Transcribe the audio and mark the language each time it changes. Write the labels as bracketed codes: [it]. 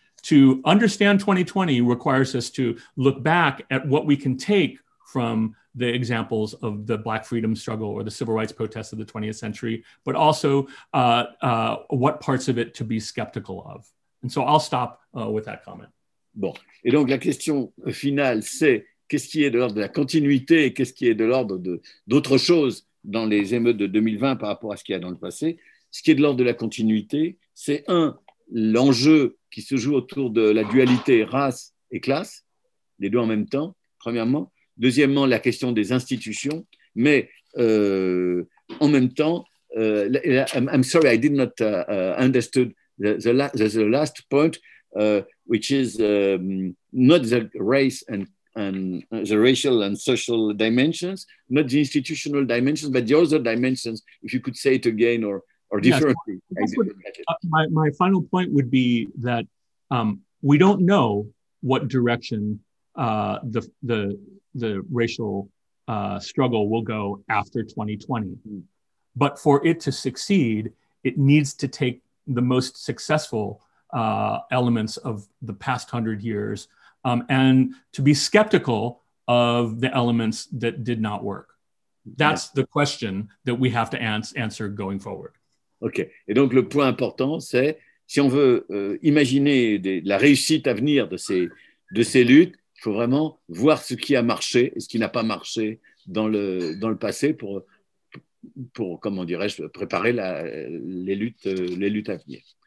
[en] To understand 2020 requires us to look back at what we can take from the examples of the Black freedom struggle or the civil rights protests of the 20th century, but also what parts of it to be skeptical of. And so I'll stop with that comment. [fr] Bon, et donc la question finale, c'est qu'est-ce qui est de l'ordre de la continuité et qu'est-ce qui est de l'ordre d'autre chose dans les émeutes de 2020 par rapport à ce qu'il y a dans le passé. Ce qui est de l'ordre de la continuité, c'est un, l'enjeu qui se joue autour de la dualité race et classe, les deux en même temps, premièrement. Deuxièmement, la question des institutions, mais en même temps, [en] I'm sorry, I did not understood the last point, which is not the race and the racial and social dimensions, not the institutional dimensions, but the other dimensions, if you could say it again or differently. Yes. My final point would be that we don't know what direction the racial struggle will go after 2020. Mm. But for it to succeed, it needs to take the most successful elements of the past 100 years and to be skeptical of the elements that did not work. That's the question that we have to answer going forward. OK. [fr] Et donc, le point important, c'est si on veut imaginer la réussite à venir de ces luttes, il faut vraiment voir ce qui a marché et ce qui n'a pas marché dans le passé pour comment dirais-je, préparer les luttes à venir.